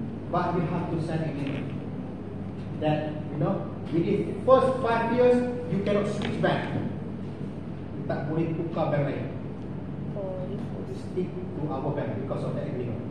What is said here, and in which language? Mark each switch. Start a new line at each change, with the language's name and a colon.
English: But we have to send agreement that, you know, within first 5 years you cannot switch back.
Malay: You tak boleh tukar bank lain.
English: Stick to our bank because of that agreement.